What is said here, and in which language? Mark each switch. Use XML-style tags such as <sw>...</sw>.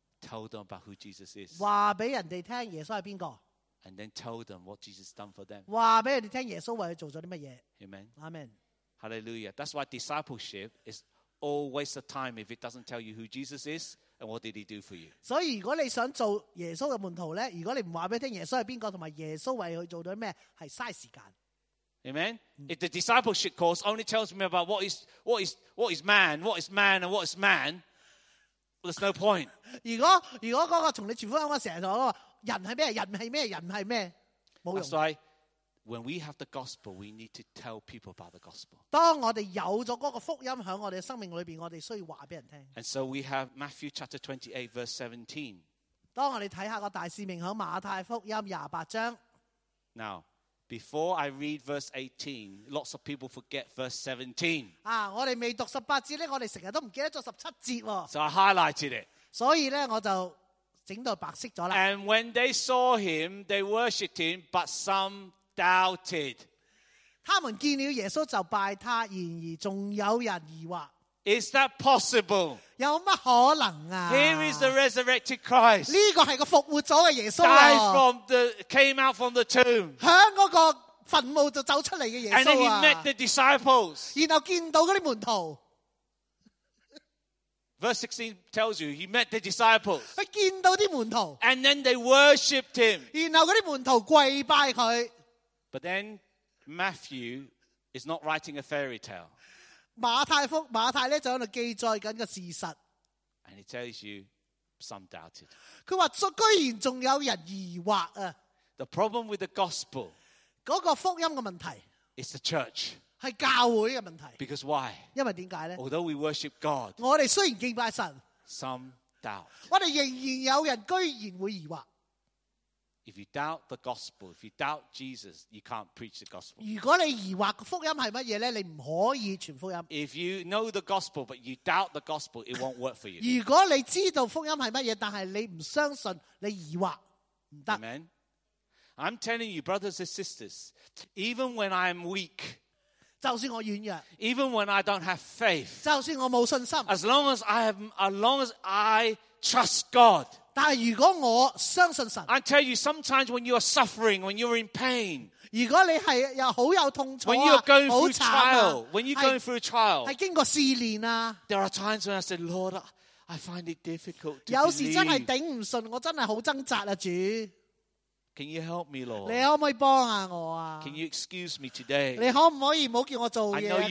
<en>？Tell them about who Jesus is.</en> <yue>话俾人哋听耶稣系边个</yue> <en>？And then tell them what Jesus done for them.</en> <yue>话俾人哋听耶稣为佢做咗啲乜嘢</yue> <en>？Amen. Amen. Hallelujah. That's why discipleship is always a time if it doesn't tell you who Jesus is and what did he do for you.</en> <yue>所以如果你想做耶稣嘅门徒咧，如果你唔话俾听耶稣系边个，同埋耶稣为佢做咗咩，系嘥时间。</yue> <en>Amen. If the discipleship course only tells me about what is man, and what is man, well, there's no point.</en> <yue>如果嗰个同你传福音嗰时候，我人系咩？人系咩？人系咩？冇用。</yue> <en>That's why when we have the gospel, we need to tell people about the gospel.</en> <yue>当我哋有咗嗰个福音喺我哋生命里边，我哋需要话俾人听。</yue> <en>And so we have Matthew chapter 28 verse 17.</en> <yue>当我哋睇下个大使命喺马太福音廿八章。</yue> <en>Now. Before I read verse 18, lots of people forget verse 17.</en> <yue>啊，我哋未读十八节咧，我哋成日都唔记得咗十七节喎。</yue> <en>So I highlighted it.</en> <yue>所以咧，我就整到白色咗啦。</yue> <en>And when they saw him, they worshipped him, but some doubted.</en> <yue>他们见了耶稣就拜他，然而仲有人疑惑。</yue> <en>Is that possible?</en> <yue>有乜可能啊</yue> <en>？Here is the resurrected Christ.</en> <yue>呢个系个复活咗嘅耶稣。</yue> <en>Died from the came out from the tomb.</en> <yue>响嗰个坟墓就走出嚟嘅耶稣啊</yue> <en>！And then he met the disciples.</en> <yue>然后见到嗰啲门徒。</yue> <en>Verse 16 tells you he met the disciples.</en> <yue>佢见到啲门徒。</yue> <en>And then they worshipped him.</en> <yue>然后嗰啲门徒跪拜佢。</yue> <en>But then Matthew is not writing a fairy tale.</en> <yue>马太咧就喺度记载紧个事实。</yue> <en>And he tells you some doubted.</en> <yue>佢话居然仲有人疑惑啊。</yue> <en>The problem with the gospel.</en> <yue>嗰个福音嘅问题。</yue> <en>It's the church.</en> <yue>系教会嘅问题。</yue> <en>Because why?</en> <yue>因为点解咧</yue> <en>？Although we worship God.</en> <yue>我哋虽然敬拜神。</yue> <en>Some doubt.</en> <yue>我哋仍然有人居然会疑惑。</yue> <en>If you doubt the gospel, if you doubt Jesus, you can't preach the gospel.</en> <yue>如果你疑惑福音系乜嘢咧，你唔可以传福音。</yue> <en>If you know the gospel but you doubt the gospel, it won't work for you.</en> <yue>如果你知道福音系乜嘢，但系你唔相信，你疑惑唔得。</yue> <en>Amen. I'm telling you, brothers and sisters, even when I'm weak,</en> <yue>就算我软弱</yue> <en>，even when I don't have faith,</en> <yue>就算我冇信心</yue> <en>，as long as I trust God.</en> <yue>但如果我相信神</yue> <en>，I tell you, sometimes when you are suffering, when you are in pain,</en> <yue>如果你系又好有痛楚、啊、</yue> <en>，when you are going through trial, when you are going through trial,</en> <yue>系经过试炼啊。</yue> <en>There are times when I say, Lord, I find it difficult to believe.</en> <yue>有时真系顶唔顺，我真系好挣扎啊，主。</yue> <en>Can you help me, Lord?</en> <yue>你可唔可以帮下我啊</yue> <en>？Can you excuse me today?</en> <yue>你可唔可以唔好叫我做嘢啊？今日</yue>